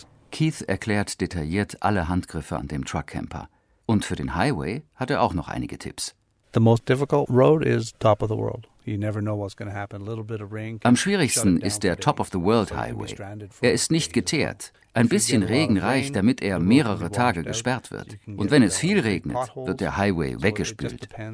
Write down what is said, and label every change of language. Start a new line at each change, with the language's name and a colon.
German: Keith erklärt detailliert alle Handgriffe an dem Truck Camper. Und für den Highway hat er auch noch einige Tipps.
English: The most difficult road is top of the world. You never know what's going to happen. A little bit of rain.
German: Am schwierigsten ist der Top of the World Highway. Er ist nicht geteert. Ein bisschen Regen reicht, damit er mehrere Tage gesperrt wird. Und wenn es viel regnet, wird der Highway weggespült.